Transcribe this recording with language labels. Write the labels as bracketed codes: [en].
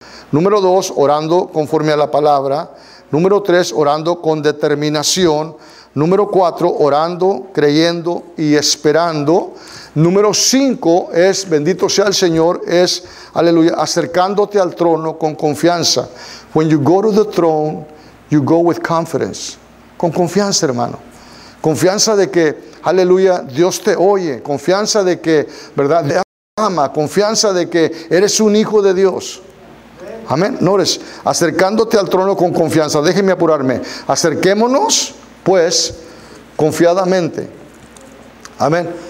[es] Número 2, orando conforme a la palabra. Número 3, orando con determinación. Número 4, orando, creyendo y esperando. Número 5 es, bendito sea el Señor, es, aleluya, acercándote al trono con confianza. [en] When you go to the throne, you go with confidence. [es] Con confianza, hermano. Confianza de que, aleluya, Dios te oye. Confianza de que, ¿verdad?, de ama, confianza de que eres un hijo de Dios. Amén. No eres acercándote al trono con confianza. Déjeme apurarme. Acerquémonos, pues, confiadamente. Amén.